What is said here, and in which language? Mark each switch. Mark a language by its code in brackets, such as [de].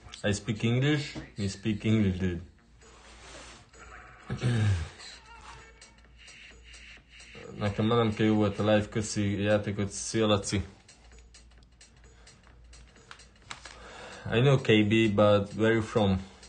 [en] I speak English, we speak English, dude. [hu] Nekem nem kell, jó volt a live, köszi a játékot, szia Laci. [en] I know KB, but where you from?